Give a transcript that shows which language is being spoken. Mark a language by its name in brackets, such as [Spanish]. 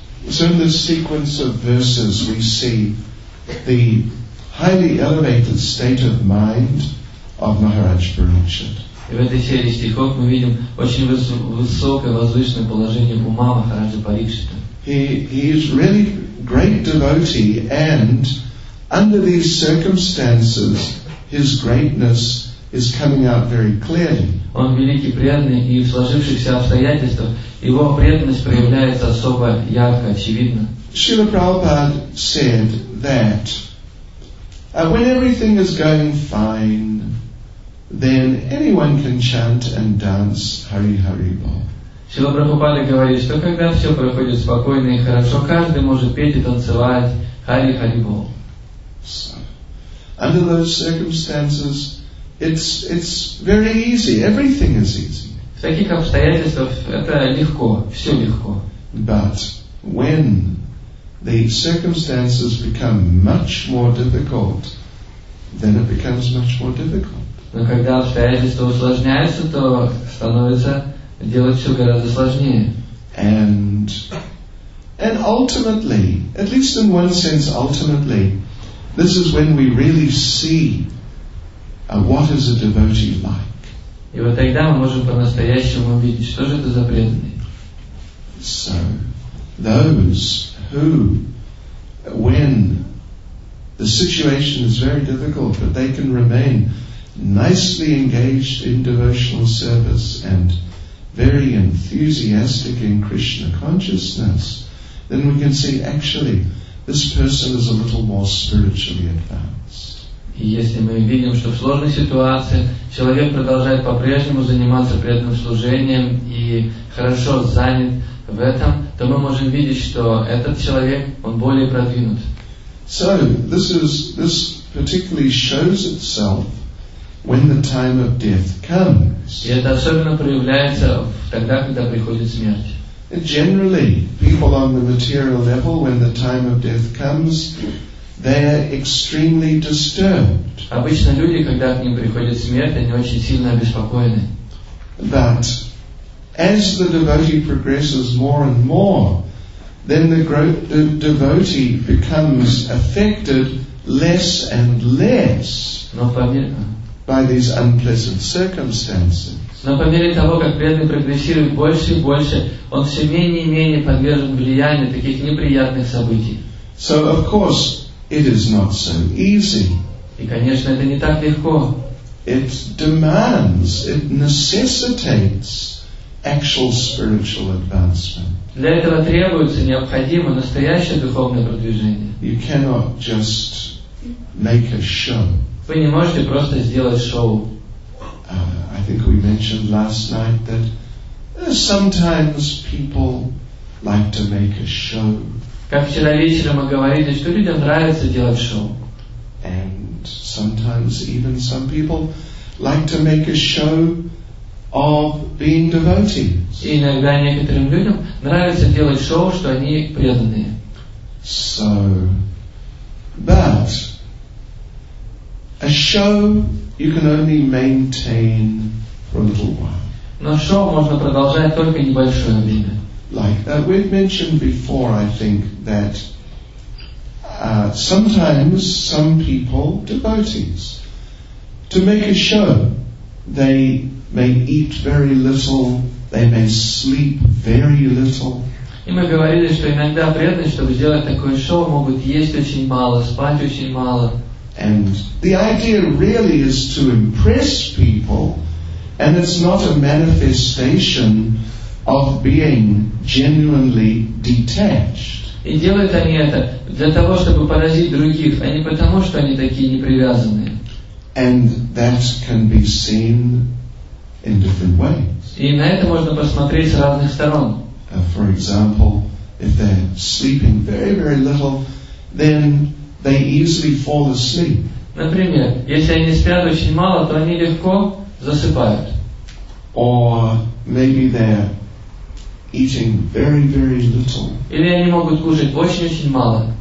[English] So in this sequence of verses we see the highly elevated state of mind of Maharaj Parikshit. [Russian] И в этой серии стихов мы видим очень высокое возвышенное положение ума Махараджа Парикшита. [English] He is really great devotee, and under these circumstances his greatness is coming out very clearly. [Russian] Он великий преданный, и в сложившихся обстоятельствах его преданность проявляется особо ярко, очевидно. [English] Srila Prabhupada said that when everything is going fine, then anyone can chant and dance Hari Hari Bol. [Russian] Шрила Прабхупада говорит, что когда все проходит спокойно и хорошо, каждый может петь и танцевать Hari Hari Bol. [English] Under those circumstances, it's very easy. Everything is easy. [Russian] В таких обстоятельствах это легко, все легко. [English] But when the circumstances become much more difficult, then it becomes much more difficult. [Russian] Но когда обстоятельства усложняются, то становится делать все гораздо сложнее. [English] And ultimately, at least in one sense, ultimately, this is when we really see what is a devotee like. [Russian] И вот тогда мы можем по-настоящему увидеть, что же это за преданный. [English] So, those who, when the situation is very difficult, but they can remain nicely engaged in devotional service and very enthusiastic in Krishna consciousness, then we can see actually this person is a little more spiritually advanced. [Russian] Если мы видим, что в сложной ситуации человек продолжает по-прежнему заниматься преданным служением и хорошо занят в этом, то мы можем видеть, что этот человек, он более продвинут. [English] So this particularly shows itself when the time of death comes. [Russian] И это особенно проявляется тогда, когда приходит смерть. [English] And generally, people on the material level, when the time of death comes, they are extremely disturbed. [Russian] Обычно люди, когда к ним приходит смерть, они очень сильно обеспокоены. [English] But as the devotee progresses more and more, then the devotee becomes affected less and less. [Russian] Но по мере [English] by these unpleasant circumstances. [Russian] Но по мере того, как преданный прогрессирует больше и больше, он все менее и менее подвержен влиянию таких неприятных событий. [English] So, of course, it is not so easy. [Russian] И, конечно, это не так легко. [English] It demands, it necessitates actual spiritual advancement. [Russian] Для этого требуется, необходимо настоящее духовное продвижение. [English] You cannot just make a show. [Russian] Вы не можете просто сделать шоу. [English] I think we mentioned last night that sometimes people like to make a show. [Russian] Как вчера вечером мы говорили, что людям нравится делать шоу. [English] And sometimes even some people like to make a show of being devotees. [Russian] И иногда некоторым людям нравится делать шоу, что они преданные. [English] So, but a show you can only maintain for a little while. [Russian] Но шоу можно продолжать только небольшое время. [English] Like that, we've mentioned before, I think, that sometimes some people, devotees, to make a show, they may eat very little, they may sleep very little. [Russian] И мы говорили, что иногда преданные, чтобы сделать такое шоу, могут есть очень мало, спать очень мало. [English] And the idea really is to impress people, and it's not a manifestation of being genuinely detached. [Russian] И делают они это для того, чтобы поразить других, а не потому, что они такие непривязанные. [English] And that can be seen in different ways. [Russian] И на это можно посмотреть с разных сторон. [English] For example, if they're sleeping very, very little, then they easily fall asleep. [Russian] Например, если они спят очень мало, то они легко засыпают. [English] Or maybe they're eating very, very little. [Russian] Или они могут кушать очень-очень мало.